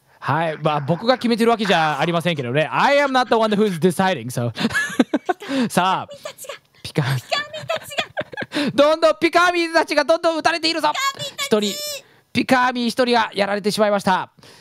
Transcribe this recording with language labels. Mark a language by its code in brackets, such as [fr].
[ja] ハイガイさんありがとう! はい、まあ僕が決めてるわけじゃありませんけどね。 [en] I am not the one who's deciding, so... [ja] さあ、ピカミたちが、どんどんピカーミーたちがどんどん撃たれているぞ。一人ピカーミー一人がやられてしまいました。